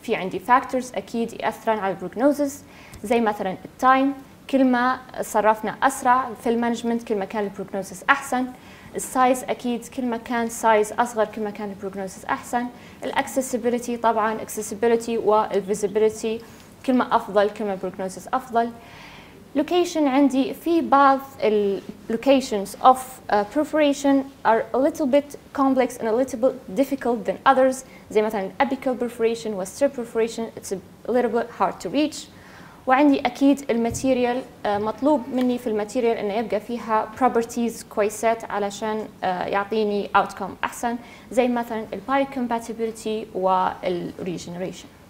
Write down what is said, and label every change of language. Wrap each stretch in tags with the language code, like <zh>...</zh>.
<ar>في عندي فاكتورز اكيد ياثرن على البروجنوزز, زي مثلا التايم, كل ما صرفنا اسرع في المانجمنت كل ما كان البروجنوزز احسن. السايز اكيد كل ما كان سايز اصغر كل ما كان البروجنوزز احسن. الاكسسبيليتي طبعا اكسسبيليتي والفيزيبيليتي كل ما افضل كل ما البروجنوزز افضل.</ar> <en>location</en> <ar>عندي في بعض</ar> <en>locations of perforation are a little bit complex and a little bit difficult than others.</en> <ar>زي مثلاً</ar> <en>apical perforation, western perforation, it's a little bit hard to reach.</en> <ar>وعندي أكيد الماتيريال مطلوب مني في الماتيريال إنه يبقى فيها properties كويسات علشان يعطيني outcome أحسن زي مثلاً ال biocompatibility وال regeneration.</ar>